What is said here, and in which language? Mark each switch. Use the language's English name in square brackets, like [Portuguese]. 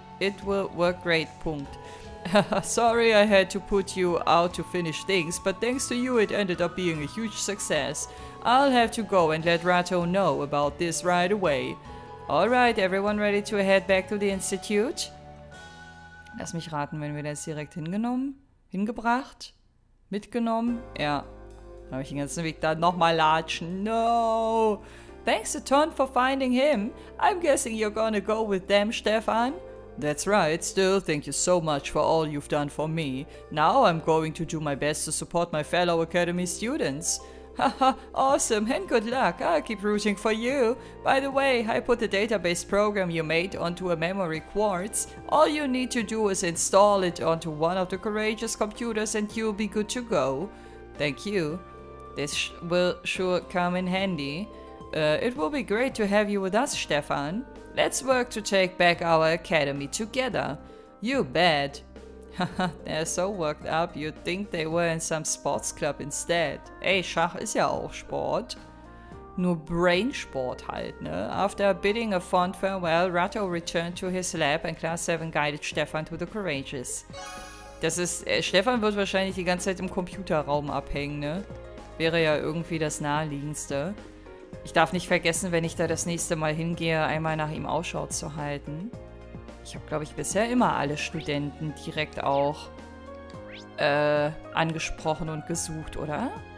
[English] It will work great, punkt. Sorry I had to put you out to finish things, but thanks to you it ended up being a huge success. I'll have to go and let Rato know about this right away. Alright, everyone ready to head back to the Institute? [German] Lass mich raten, wenn wir das direkt hingenommen? Hingebracht? Mitgenommen? Ja. Dann habe ich den ganzen Weg da nochmal latschen. [English] No! Thanks a ton for finding him. I'm guessing you're gonna go with them, Stefan. That's right. Still, thank you so much for all you've done for me. Now I'm going to do my best to support my fellow Academy students. Haha, awesome and good luck. I'll keep rooting for you. By the way, I put the database program you made onto a memory quartz. All you need to do is install it onto one of the Courageous computers and you'll be good to go. Thank you. This will sure come in handy. It will be great to have you with us, Stefan. Let's work to take back our academy together. You bet. Haha, they're so worked up, you'd think they were in some sports club instead. [German] Ey, Schach ist ja auch Sport. nur Brainsport halt, ne? [English] After bidding a fond farewell, Ratto returned to his lab and Class 7 guided Stefan to the Courageous. [German] Das ist, Stefan wird wahrscheinlich die ganze Zeit im Computerraum abhängen, ne? Wäre ja irgendwie das Naheliegendste. Ich darf nicht vergessen, wenn ich da das nächste Mal hingehe, einmal nach ihm Ausschau zu halten. Ich habe, glaube ich, bisher immer alle Studenten direkt auch angesprochen und gesucht, oder?